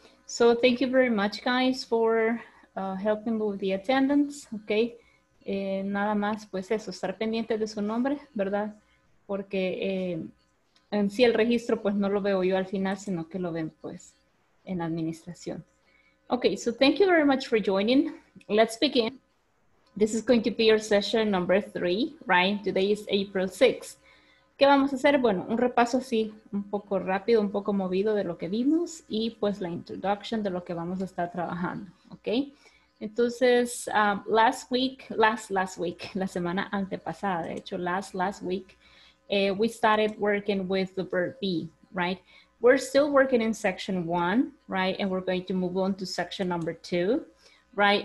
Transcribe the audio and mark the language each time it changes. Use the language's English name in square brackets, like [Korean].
[English] So thank you very much, guys, for helping with the attendance, okay? [Spanish] Nada más, pues eso, estar pendiente de su nombre, ¿verdad? Porque en sí el registro, pues no lo veo yo al final, sino que lo ven, pues, en administración. [English] Okay, so thank you very much for joining. Let's begin. This is going to be your session number 3, right? Today is April 6th. ¿Qué vamos a hacer? [Spanish] Bueno, un repaso así, un poco rápido, un poco movido de lo que vimos y pues la introduction de lo que vamos a estar trabajando, ¿ok? [English] Entonces, last week, la semana antepasada, de hecho, last week, we started working with the verb be, right? We're still working in section 1, right? And we're going to move on to section number 2, right?